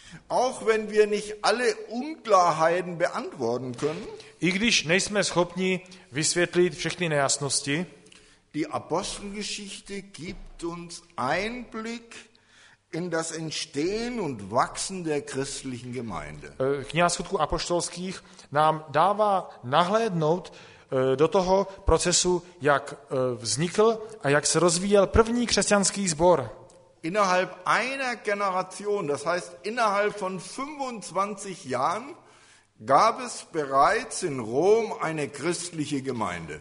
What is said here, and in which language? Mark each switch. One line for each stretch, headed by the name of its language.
German: Auch wenn wir nicht alle Unklarheiten beantworten können,
Czech: i když nejsme schopni vysvětlit všechny nejasnosti,
German: die Apostelgeschichte gibt uns Einblick in das Entstehen und Wachsen der christlichen Gemeinde.
Czech: Kniha Skutků apoštolských nám dává nahlédnout do toho procesu, jak vznikl a jak se rozvíjel první křesťanský sbor.
German: Innerhalb einer Generation, das heißt innerhalb von 25 Jahren, gab es bereits in Rom eine christliche Gemeinde.